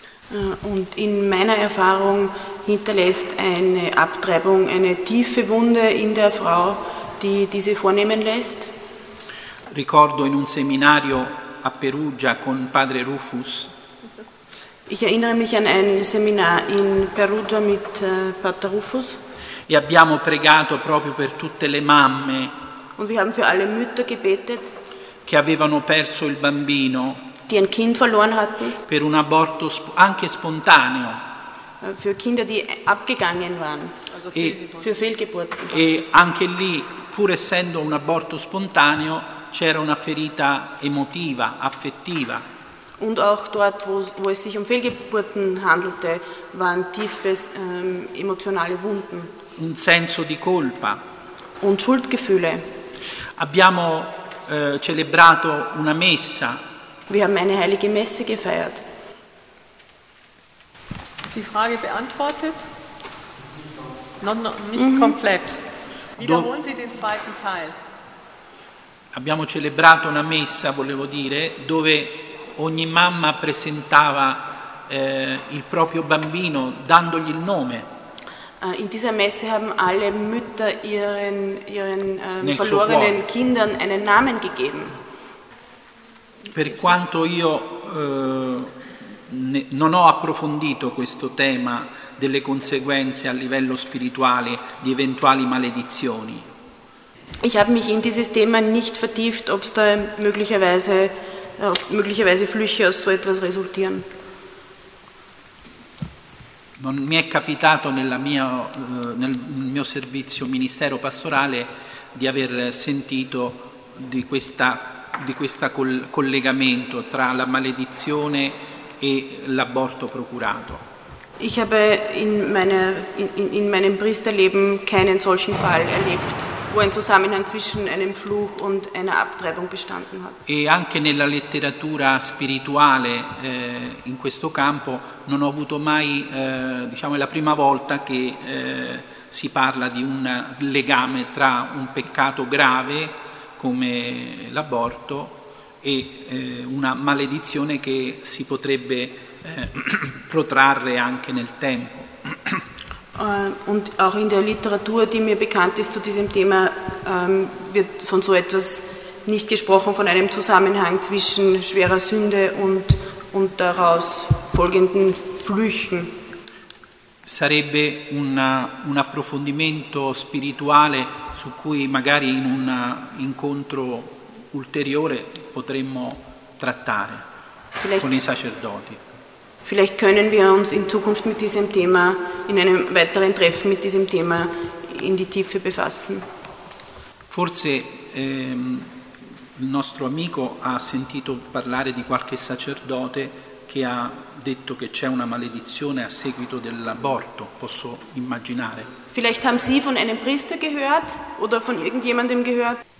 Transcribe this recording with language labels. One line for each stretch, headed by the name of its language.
German: Und in meiner Erfahrung hinterlässt eine Abtreibung eine tiefe Wunde in der Frau, die diese vornehmen lässt.
Italian: Ricordo in un seminario a Perugia con padre Rufus.
German: Ich erinnere mich an ein Seminar in Perugia mit Pater Rufus.
Italian: E abbiamo pregato proprio per tutte le mamme.
German: Und wir haben für alle Mütter gebetet.
Italian: Che avevano perso il bambino.
German: Die ein Kind verloren hatten.
Italian: Per un aborto anche spontaneo.
German: Für Kinder, die abgegangen waren. Also für Fehlgeburten.
Italian: E anche lì, pur essendo un aborto spontaneo, c'era una ferita emotiva, affettiva.
German: Und auch dort, wo es sich um Fehlgeburten handelte, waren tiefe emotionale Wunden.
Italian: Un senso di colpa.
German: Und Schuldgefühle.
Italian: Abbiamo celebrato una messa.
German: Wir haben eine heilige Messe gefeiert. Die Frage beantwortet. Nicht komplett. Wiederholen Sie den zweiten Teil.
Italian: Abbiamo celebrato una messa, volevo dire, dove ogni mamma presentava il proprio bambino dandogli il nome.
German: In dieser Messe haben alle Mütter ihren verlorenen Kindern einen Namen gegeben.
Italian: Per quanto io non ho approfondito questo tema delle conseguenze a livello spirituale di eventuali maledizioni.
German: Ich habe mich in dieses Thema nicht vertieft, ob es da möglicherweise Flüche aus so etwas resultieren.
Italian: Non mi è capitato nel mio servizio ministero pastorale di aver sentito di questo collegamento tra la maledizione e l'aborto procurato.
German: Ich habe in meinem Priesterleben keinen solchen Fall erlebt, wo ein Zusammenhang zwischen einem Fluch und einer Abtreibung bestanden hat.
Italian: E anche nella letteratura spirituale in questo campo non ho avuto mai, diciamo, è la prima volta che si parla di un legame tra un peccato grave come l'aborto e una maledizione che si potrebbe protrarre anche nel tempo.
German: Und auch in der Literatur, die mir bekannt ist zu diesem Thema, wird von so etwas nicht gesprochen, von einem Zusammenhang zwischen schwerer Sünde und daraus folgenden Flüchen.
Italian: Sarebbe un approfondimento spirituale su cui magari in un incontro ulteriore potremmo trattare.
German: Vielleicht
Italian: con i sacerdoti.
German: Vielleicht können wir uns in Zukunft mit diesem Thema, in einem weiteren Treffen mit diesem Thema in die Tiefe befassen.
Italian: Forse il nostro amico ha sentito parlare di qualche sacerdote che ha detto che c'è una maledizione a seguito dell'aborto, posso immaginare.
German: Vielleicht haben Sie von einem Priester gehört oder von irgendjemandem gehört?